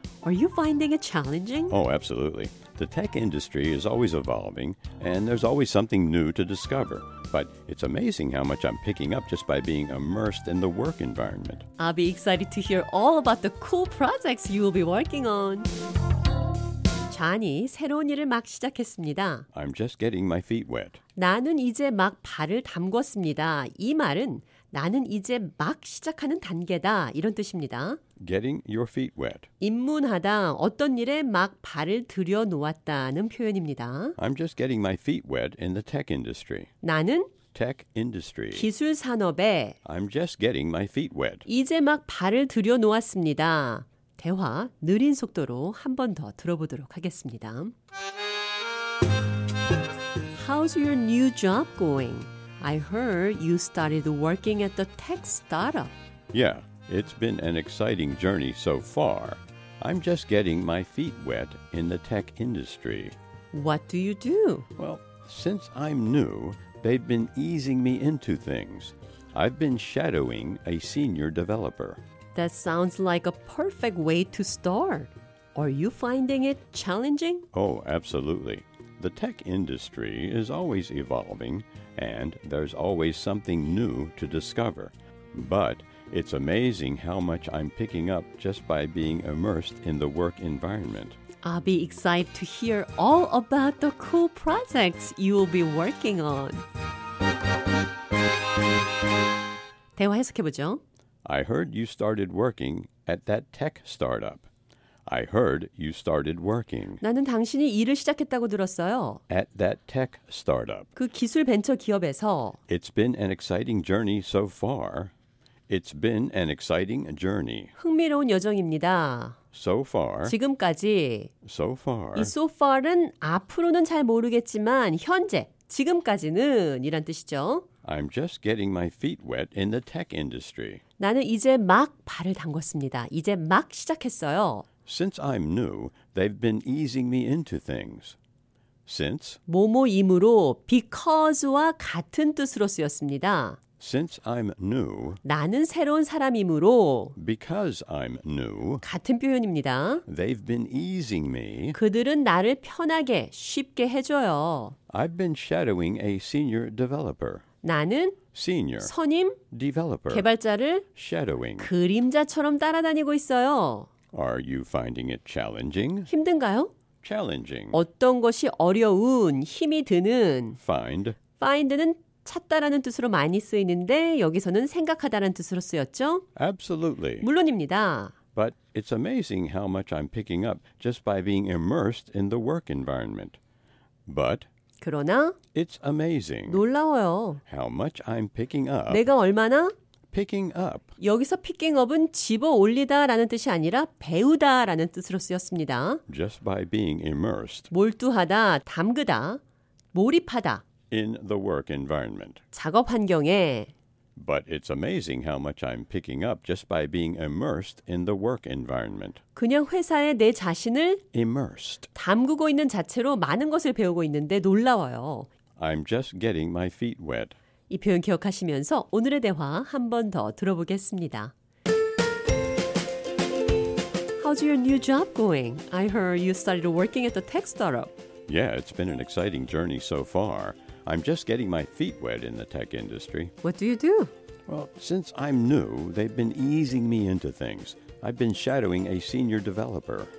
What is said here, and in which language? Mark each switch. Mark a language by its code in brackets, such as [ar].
[en] Are you finding it challenging? Oh, absolutely. The tech industry is always evolving, and there's always something new to discover. But it's amazing how much I'm picking up just by being immersed in the work environment. I'll be excited to hear all about the cool projects you will be working on. [ko] 잔이 새로운 일을 막 시작했습니다. [en] I'm just getting my feet wet. [ko] 나는 이제 막 발을 담궜습니다. 이 말은 나는 이제 막 시작하는 단계다 이런 뜻입니다. [en] Getting your feet wet. [ko] 입문하다, 어떤 일에 막 발을 들여놓았다는 표현입니다. [en] I'm just getting my feet wet in the tech industry. [ko] 나는 [en] tech industry. [ko] 기술 산업에 [en] I'm just getting my feet wet. [ko] 이제 막 발을 들여놓았습니다. 대화 느린 속도로 한 번 더 들어보도록 하겠습니다. [en] How's your new job going? I heard you started working at the tech startup. Yeah, it's been an exciting journey so far. I'm just getting my feet wet in the tech industry. What do you do? Well, since I'm new, they've been easing me into things. I've been shadowing a senior developer. That sounds like a perfect way to start. Are you finding it challenging? Oh, absolutely. The tech industry is always evolving, and there's always something new to discover. But it's amazing how much I'm picking up just by being immersed in the work environment. I'll be excited to hear all about the cool projects you'll be working on. [ko] 대화 해석해보죠. [en] I heard you started working at that tech startup. I heard you started working. [ko] 나는 당신이 일을 시작했다고 들었어요. [en] At that tech startup. [ko] 그 기술 벤처 기업에서. [en] It's been an exciting journey so far. It's been an exciting journey. [ko] 흥미로운 여정입니다. [en] So far. [ko] 지금까지. [en] So far. [ko] 이 so far는 앞으로는 잘 모르겠지만 현재, 지금까지는 이란 뜻이죠. [en] I'm just getting my feet wet in the tech industry. [ko] 나는 이제 막 발을 담궜습니다. 이제 막 시작했어요. [en] Since I'm new, they've been easing me into things. Since [ko] 뭐뭐임으로 because와 같은 뜻으로 쓰였습니다. [en] Since I'm new, [ko] 나는 새로운 사람이므로 [en] because I'm new, [ko] 같은 표현입니다. [en] They've been easing me. [ko] 그들은 나를 편하게 쉽게 해줘요. [en] I've been shadowing a senior developer. [ko] 나는 [en] senior [ko] 선임 [en] developer [ko] 개발자를 [en] shadowing [ko] 그림자처럼 따라다니고 있어요. [en] Are you finding it challenging? [ko] 힘든가요? [en] Challenging. [ko] 어떤 것이 어려운, 힘이 드는 [en] find. [ko] Find는 찾다라는 뜻으로 많이 쓰이는데 여기서는 생각하다라는 뜻으로 쓰였죠? [en] Absolutely. [ko] 물론입니다. [en] But it's amazing how much I'm picking up just by being immersed in the work environment. But [ko] 그러나 [en] it's amazing. [ko] 놀라워요. [en] How much I'm picking up. [ko] 내가 얼마나 [en] picking up. [ko] 여기서 picking up은 집어올리다라는 뜻이 아니라 배우다라는 뜻으로 쓰였습니다. [en] Just by being immersed. [ko] 몰두하다, 담그다, 몰입하다. [en] In the work environment. [ko] 작업 환경에. [en] But it's amazing how much I'm picking up just by being immersed in the work environment. [ko] 그냥 회사에 내 자신을 [en] immersed. [ko] 담그고 있는 자체로 많은 것을 배우고 있는데 놀라워요. [en] I'm just getting my feet wet. [ko] 이 표현 기억하시면서 오늘의 대화 한 번 더 들어보겠습니다. [en] How's your new job going? I heard you started working at the tech startup. Yeah, it's been an exciting journey so far. I'm just getting my feet wet in the tech industry. What do you do? Well, since I'm new, they've been easing me into things. I've been shadowing a senior developer.